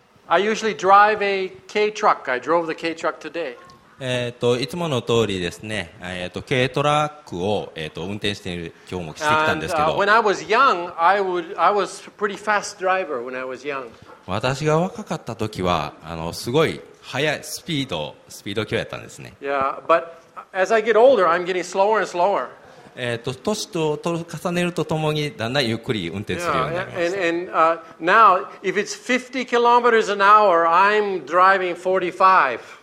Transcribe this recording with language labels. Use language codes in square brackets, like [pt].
[en] I usually drive a K truck. I drove the K truck today. [ja] いつもの通りですね、軽トラックを、運転して今日もしてきたんですけど。 [en] When I was young, I was a pretty fast driver when I was young. [ja] 私が若かった時は、すごい速いスピード級やったんですね。 [en] Yeah, but as I get older, I'm getting slower and slower. [ja] 年と重ねるとともに、だんだんゆっくり運転するようになりました。 [en] Yeah, and now, if it's 50 kilometers an hour, I'm driving 45.